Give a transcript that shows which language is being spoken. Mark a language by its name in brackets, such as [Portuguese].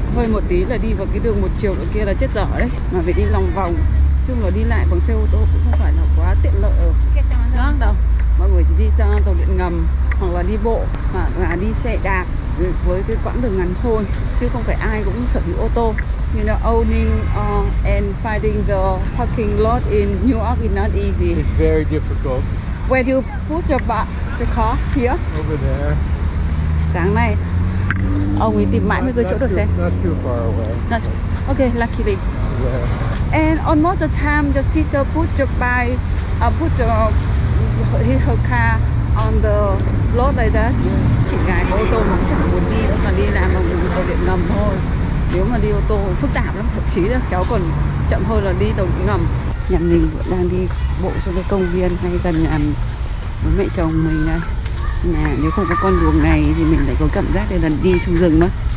[Vietnamese] Hơi một tí là đi vào cái đường một chiều ở kia là chết dở đấy, mà phải đi lòng vòng. Chung là đi lại bằng xe ô tô cũng không phải là quá tiện lợi ở nước đâu. Mọi người chỉ đi sang tàu điện ngầm hoặc là đi bộ hoặc là đi xe đạp với cái quãng đường ngắn thôi, chứ không phải ai cũng sở hữu ô tô. [English] You know, owning and finding the parking lot in New York is not easy. It's very difficult. Where do you put the car here? Over there. [Vietnamese] Sáng nay, ông ấy tìm mãi mới có chỗ đỗ xe. [English] Not too far away. Okay, luckily. Yeah. And almost the time, the sister put the bike, put her car on the lot like that. Yeah. [Vietnamese] Chị gái ô tô mà chẳng muốn đi nữa, mà đi làm bằng đường tàu điện ngầm thôi. Nếu mà đi ô tô phức tạp lắm, thậm chí là khéo còn chậm hơn là đi tàu điện ngầm. Nhà mình vẫn đang đi bộ xuống cái công viên ngay gần nhà với mẹ chồng mình đây. Nhà nếu không có con đường này thì mình lại có cảm giác đây là đi trong rừng đó.